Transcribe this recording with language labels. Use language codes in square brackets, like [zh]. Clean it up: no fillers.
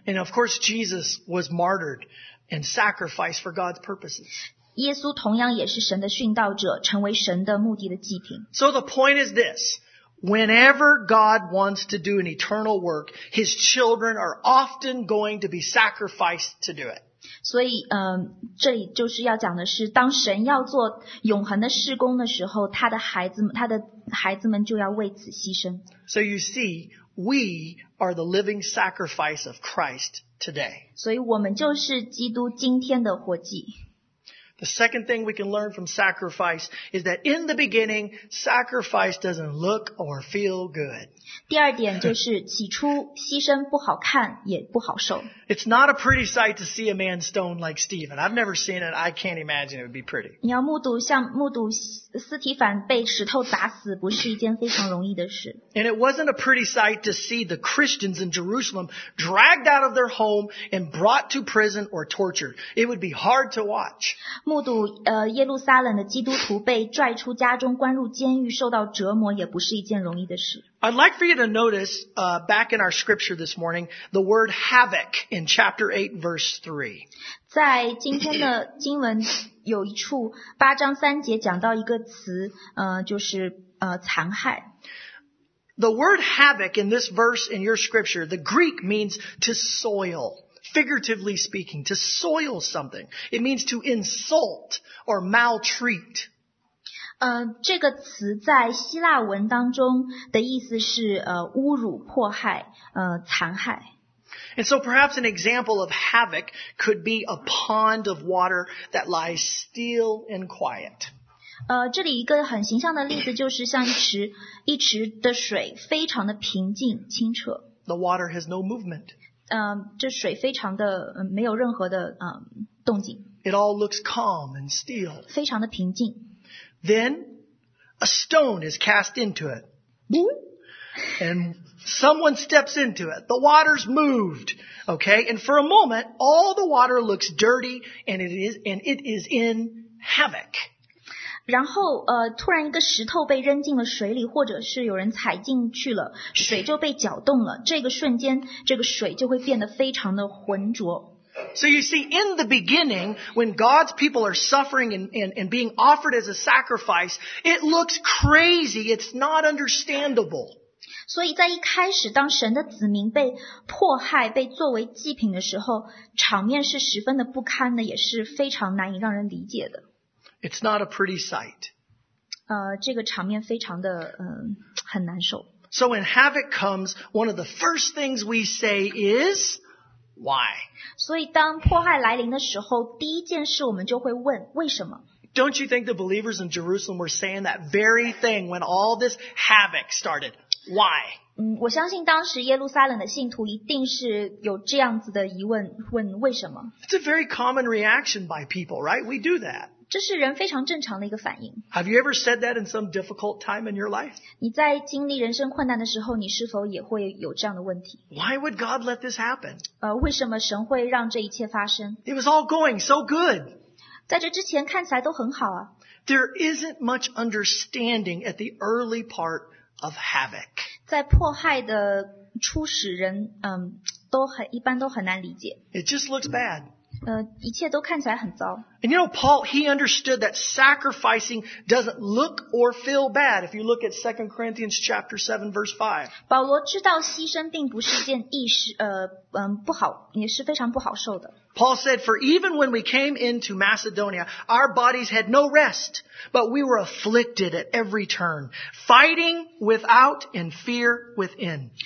[en] And of course, Jesus was martyred and sacrificed for God's purposes. [zh] 耶稣同样也是神的殉道者，成为神的目的的祭品。 [en] So the point is this: whenever God wants to do an eternal work, His children are often going to be sacrificed to do it. [zh] 所以这里就是要讲的是当神要做永恒的事工的时候他的孩子们就要为此牺牲。 [en] So you see, we are the living sacrifice of Christ today. [zh] 所以我们就是基督今天的活祭。 [en] The second thing we can learn from sacrifice is that in the beginning, sacrifice doesn't look or feel good. [zh] 第二点就是起初牺牲不好看也不好受。 [en] It's not a pretty sight to see a man stoned like Stephen. I've never seen it. I can't imagine it would be pretty. [zh] 你要目睹斯提凡被石头砸死不是一件非常容易的事。 [en] And it wasn't a pretty sight to see the Christians in Jerusalem dragged out of their home and brought to prison or tortured. It would be hard to watch. [zh] 目睹耶路撒冷的基督徒被拽出家中关入监狱受到折磨也不是一件容易的事。 [en] I'd like for you to notice, back in our scripture this morning, the word havoc in chapter 8, verse 3. [zh] 在今天的经文有一处八章三节讲到一个词就是残害。 [en] The word havoc in this verse in your scripture, the Greek means to soil, figuratively speaking, to soil something. It means to insult or maltreat. [zh] 这个词在希腊文当中的意思是侮辱迫害残害。 [en] And so perhaps an example of havoc could be a pond of water that lies still and quiet. [zh] 这里一个很形象的例子就是像一池的水非常的平静清澈。 [en] The water has no movement. [zh] 这水非常的没有任何的动静。 [en] It all looks calm and still. [zh] 非常的平静。 [en] Then, a stone is cast into it. And someone steps into it. The water's moved. Okay? And for a moment, all the water looks dirty and it is in havoc. [zh] 然后突然一个石头被扔进了水里或者是有人踩进去了水就被搅动了这个瞬间这个水就会变得非常的浑浊。 [en] So you see, in the beginning, when God's people are suffering and being offered as a sacrifice, it looks crazy. It's not understandable. [zh] 所以在一开始，当神的子民被迫害、被作为祭品的时候，场面是十分的不堪的，也是非常难以让人理解的。 [en] It's not a pretty sight. [zh] 这个场面非常的很难受。 [en] So when havoc comes, one of the first things we say is,Why? [zh] 所以当迫害来临的时候第一件事我们就会问为什么 [en] Don't you think the believers in Jerusalem were saying that very thing when all this havoc started? Why? [zh] 我相信当时耶路撒冷的信徒一定是有这样子的疑问问为什么 [en] It's a very common reaction by people, right? We do that. [zh] 这是人非常正常的一个反应 [en] Have you ever said that in some difficult time in your life? [zh] 你在经历人生困难的时候你是否也会有这样的问题 [en] Why would God let this happen? [zh] 为什么神会让这一切发生 [en] It was all going so good. [zh] 在这之前看起来都很好啊 [en] There isn't much understanding at the early part of havoc. [zh] 在迫害的初始人一般都很难理解 [en] It just looks bad. [zh] 一切都看起来很糟。 [en] And you know, Paul, he understood that sacrificing doesn't look or feel bad. If you look at 2 Corinthians chapter 7, verse 5. [zh] 保罗知道牺牲并不是一件不好，也是非常不好受的。 [en] Paul said, for even when we came into Macedonia, our bodies had no rest, but we were afflicted at every turn, fighting without and fear within.